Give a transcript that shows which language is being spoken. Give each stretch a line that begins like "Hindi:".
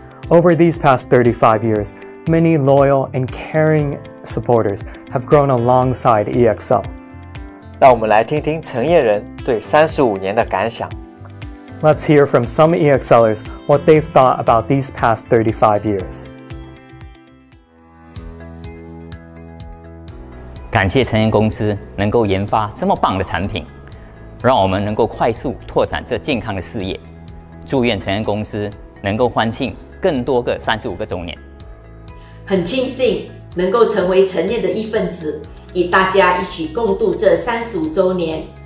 English: Over these past 35 years, many loyal and caring supporters have grown alongside EXL.
Chinese: 让我们来听听成业人对35年的感想。
English: Let's hear from some EXLers what they've thought about these past 35 years.
Chinese: 感谢成业公司能够研发这么棒的产品，让我们能够快速拓展这健康的事业。祝愿成业公司能够欢庆更多个35个周年。很庆幸能够成为成业的一份子，与大家一起共度这35周年。